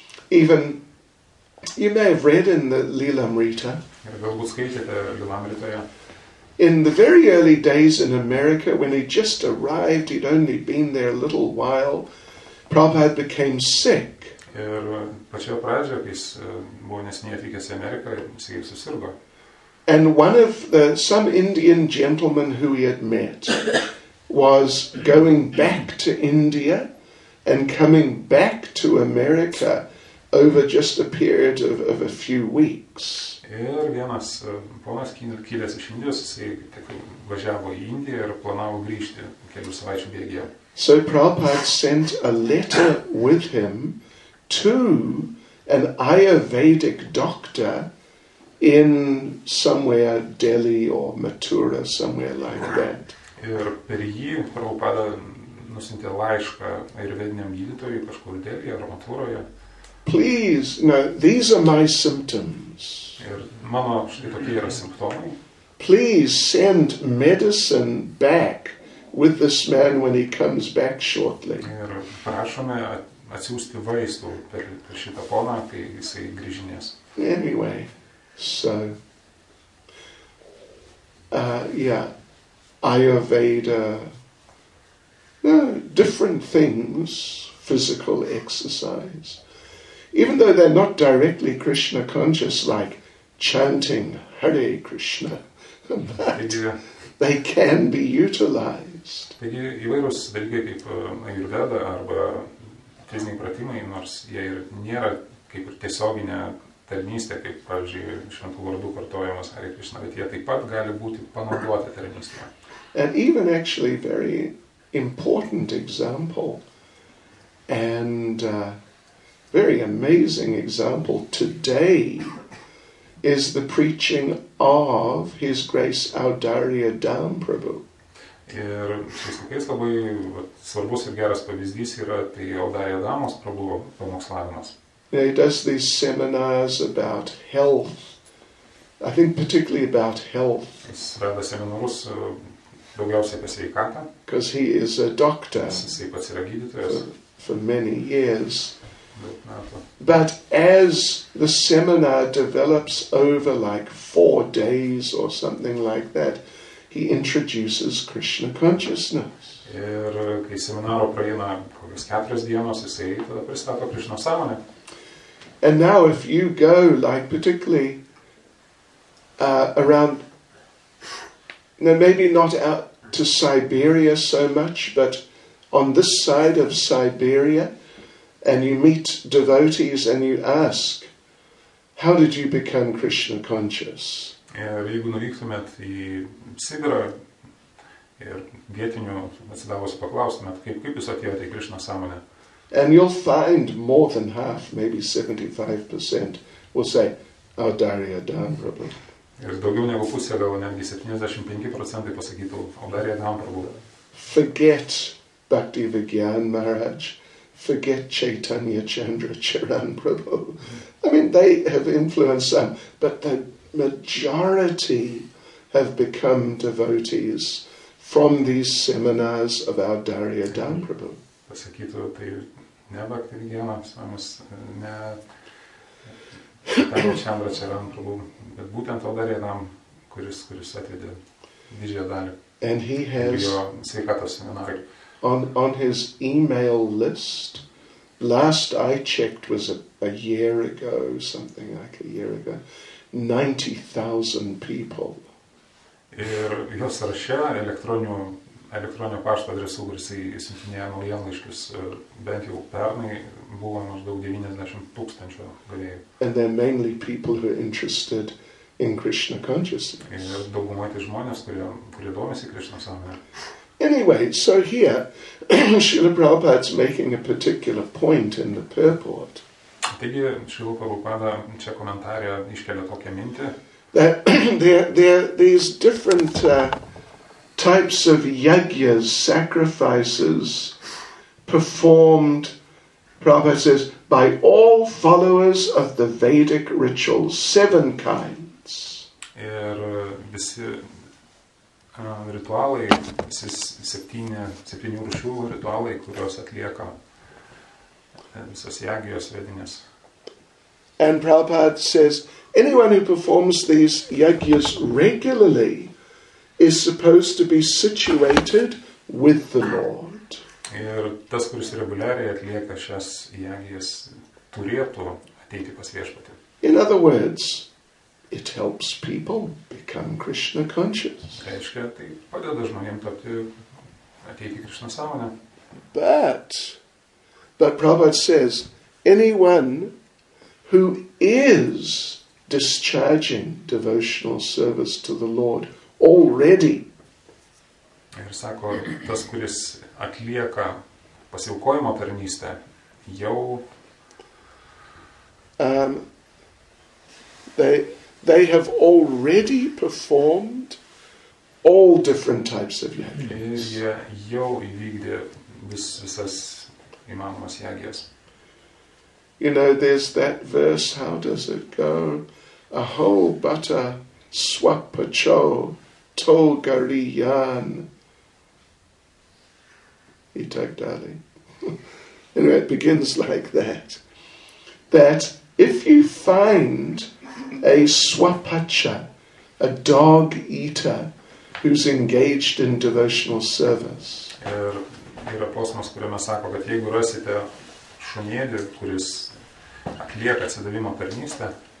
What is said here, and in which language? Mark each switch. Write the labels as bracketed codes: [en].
[en] Even, you may have read in the Lilamrita. [lt] Ir galbūt skaitėte Lilamritoje. [en] In the very early days in America, when he just arrived, he'd only been there a little while, Prabhupada became sick. [lt] Ir pačioje pradžioje, kai jis buvo nesiniai atvykęs į Ameriką, jisai susirgo. [en] And one of some Indian gentlemen who he had met was going back to India and coming back to America over just a period of a few weeks. [lt] Ir vienas ponas kilęs iš Indijos, jisai važiavo į Indiją ir planavo grįžti kelių savaičių bėgyje. [en] So Prabhupada sent a letter with him to an Ayurvedic doctor in somewhere Delhi or Mathura, somewhere like that. [lt] Ir per jį Prabhupada nusintė laišką ajurvediniam gydytojui kažkur Delhi'e ar Mathuroje. [en] Please, no, these are my symptoms. [lt] Ir mano štai tokie yra simptomai. [en] Please send medicine back with this man when he comes back shortly. [lt] Ir prašome atsiųsti vaistų per šitą poną, kai jisai grįžinės. [en] Anyway, so, yeah, Ayurveda, different things, physical exercise, even though they're not directly Krishna conscious, like chanting Hare Krishna, but they can be utilized. [lt] Taigi įvairūs dalykai kaip ajurveda arba fiziniai pratimai, nors jie ir nėra kaip ir tiesioginė tarnystė, kaip pavyzdžiui šventų vardų kartojimas Hare Krishna, bet jie taip pat gali būti panaudoti tarnystėje. [en] And even actually very important example and very amazing example today is the preaching of His Grace Audarya Dham Prabhu. [lt] Ir šiais laikais labai svarbus ir geras pavyzdys yra tai Audarya Dhamos Prabhu pamokslavimas. [en] He does these seminars about health, I think particularly about health. [lt] Jis rada seminarus daugiausiai apie sveikatą. [en] Because he is a doctor. [lt] Jisai pats yra gydytojas. [en] For many years. But as the seminar develops over like 4 days or something like that, he introduces Krishna consciousness. [lt] Ir kai seminaro praeina kokias 4 dienos, jisai tada pristato Krishna sąmonę. [en] And now if you go like particularly around, now maybe not out to Siberia so much, but on this side of Siberia, and you meet devotees and you ask, how did you become Krishna conscious? [lt] Ir jeigu nuvyktumėt į Sibirą ir vietinių atsidavusių paklaustumėt, kaip jūs atėjote į Krishna sąmonę? [en] And you'll find more than half, maybe 75% will say, Audarya Dham Prabhu. [lt] Ir daugiau negu pusė, gal netgi 75% pasakytų Audarya Dham Prabhu. [en] Forget Bhakti Vigyan Maharaj. Forget Chaitanya Chandra Charan Prabhu. I mean, they have influenced some, but the majority have become devotees from these seminars of Audarya Dham Prabhu. [lt] Pasakytų, tai ne Bhakti Vigyana, ne Chandra Charan Prabhu, bet būtent Audarya Dham, kuris atvedė didžiąją dalį. [en] And he has [lt] jo sveikatos seminarai. [en] On his email list, last I checked was a year ago, something like a year ago, 90,000 people. [lt] Ir jo sąraše elektroninio pašto adresu, kur jis įsintinėjo naujienlaiškius, bent jau pernai, buvo maždaug 90 tūkstančių galėjų. [en] And they're mainly people who are interested in Krishna consciousness. [lt] Ir dauguma tai žmonės, kurie domisi Krishna sąmonę. [en] Anyway, so here, Srila Prabhupada's making a particular point in the purport. [lt] Taigi, Srila Prabhupada čia komentarė iškelia tokią mintį. [en] That there are these different types of yajnas, sacrifices, performed, Prabhupada says, by all followers of the Vedic rituals, 7 kinds. [lt] Ir visi ritualai, septynių rūšių ritualai, kurios atlieka visos jagijos vedinės. [en] And Prabhupada says, anyone who performs these yagyas regularly is supposed to be situated with the Lord. [lt] Ir tas, kuris reguliariai atlieka šias jagijas, turėtų ateiti pas viešpatį. [en] In other words, it helps people become Krishna conscious. [lt] Reiškia, tai padeda žmonėm tapti ateiti Krishna sąmonę. [en] But Prabhupada says, anyone who is discharging devotional service to the Lord already. [lt] Ir sako, tas, kuris atlieka pasiaukojimo tarnystę, jau [en] They have already performed all different types of yagyas. [lt] Jie jau įvykdė visas įmanomas jagyas. [en] You know, there's that verse, how does it go? A whole butter swapacho togariyan itagdali. Anyway, it begins like that. That if you find a swapacha, a dog eater, who's engaged in devotional service. [lt] Ir yra posmas, kuriame sako, kad jeigu rasite šunėlį, kuris atlieka atsidavimo tarnystę,